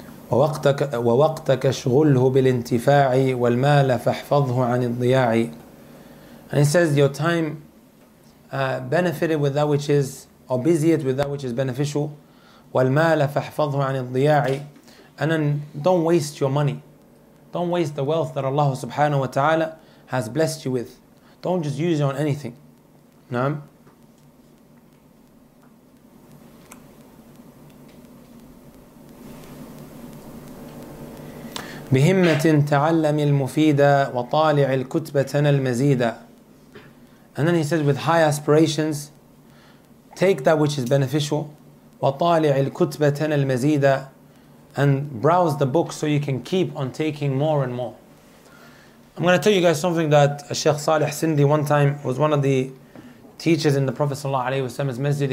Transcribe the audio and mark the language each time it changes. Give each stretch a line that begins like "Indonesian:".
Arabic: ووقتك شغله بالانتفاع والمال فاحفظه عن الضياع.
English: And it says your time benefit it with that which is, or busy it with that which is beneficial.
Arabic: والمال فاحفظه عن الضياع.
English: And then don't waste your money. Don't waste the wealth that Allah subhanahu wa ta'ala has blessed you with. Don't just use it on anything. نعم.
Arabic: بهمة تعلم المفيدة وطالع الكتبة المزيدة.
English: And then he says, with high aspirations, take that which is beneficial,
Arabic: وطالع الكتبة المزيدة,
English: and browse the books so you can keep on taking more and more. I'm going to tell you guys something that Sheikh Saleh Sindi one time was one of the teachers in the Prophet sallallahu alaihi wasallam's masjid.